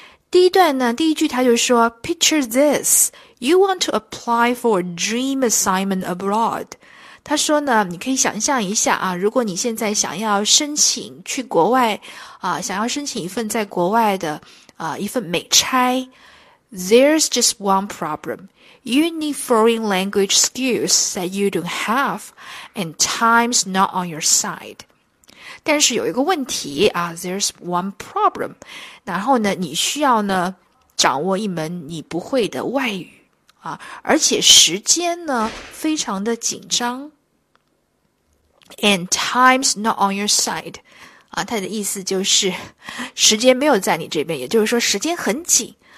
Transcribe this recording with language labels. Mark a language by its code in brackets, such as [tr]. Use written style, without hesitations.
[zh] 第一段呢，第一句他就说 [en] Picture this, you want to apply for a dream assignment abroad. [zh] 他说呢，你可以想象一下啊，如果你现在想要申请去国外啊，想要申请一份在国外的啊一份美差。 [en] There's just one problem. You need foreign language skills that you don't have, and time's not on your side. [zh] 但是有一个问题啊 , [en] there's one problem. [zh] 然后呢你需要呢掌握一门你不会的外语啊，而且时间呢非常的紧张。 [en] And time's not on your side. [zh] 啊，他的意思就是时间没有在你这边，也就是说时间很紧。